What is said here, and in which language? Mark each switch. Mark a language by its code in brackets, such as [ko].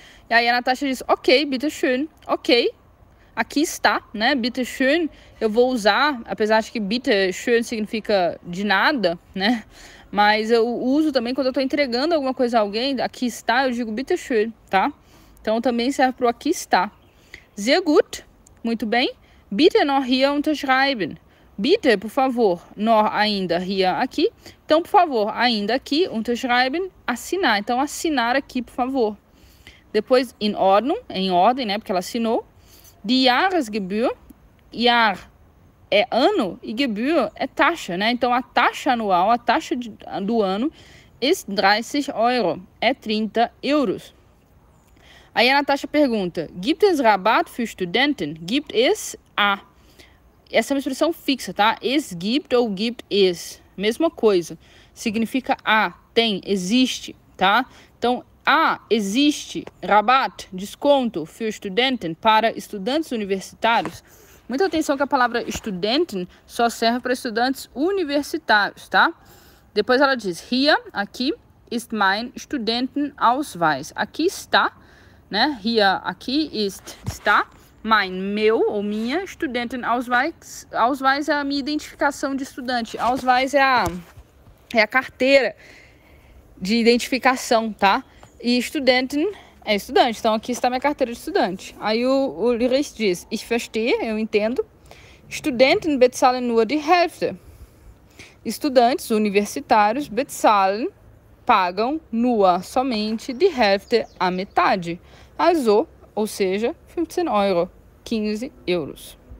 [pt] E aí a Natasha diz: [de] Ok, bitte schön. [pt] Ok, aqui está, né? [de] Bitte schön. [pt] Eu vou usar, apesar de que bitte schön significa de nada, né? Mas eu uso também quando eu estou entregando alguma coisa a alguém. Aqui está, eu digo [de] bitte schön, [pt] tá? Então também serve para o aqui está. Sehr gut. Muito bem. [de] Bitte noch hier unterschreiben. [pt] Bitte, por favor, noch ainda hier aqui. Então, por favor, ainda aqui, unterschreiben, assinar. Então, assinar aqui, por favor. Depois, [de] in Ordnung, [pt] em ordem, né? Porque ela assinou. [de] Die Jahresgebühr. [pt] Jahr é ano e Gebühr é taxa, né? Então, a taxa anual, a taxa do ano, [de] ist 30 Euro. [pt] É 30 euros. Aí a Natasha pergunta: [de] Gibt es Rabatt für Studenten? Gibt es a. [pt] Essa é uma expressão fixa, tá? Es gibt ou gibt es. Mesma coisa. Significa a, tem, existe, tá? Então, a, existe, Rabatt, desconto, [de] für Studenten, [pt] para estudantes universitários. Muita atenção que a palavra Studenten só serve para estudantes universitários, tá? Depois ela diz: Hier, aqui, [de] ist mein Studentenausweis. [pt] Aqui está, né? Hier, aqui, ist, está. Meu ou minha, Studentenausweis. Ausweis é a minha identificação de estudante. Ausweis é a carteira de identificação, tá? E Studenten é estudante. Então aqui está minha carteira de estudante. Aí o Lyrisch diz: [de] Ich verstehe, [pt] eu entendo. [de] Studenten bezahlen nur die Hälfte. [pt] Estudantes universitários bezahlen, pagam nur, somente, die Hälfte, a metade. Also, ou seja, 15 euro. 15 euros.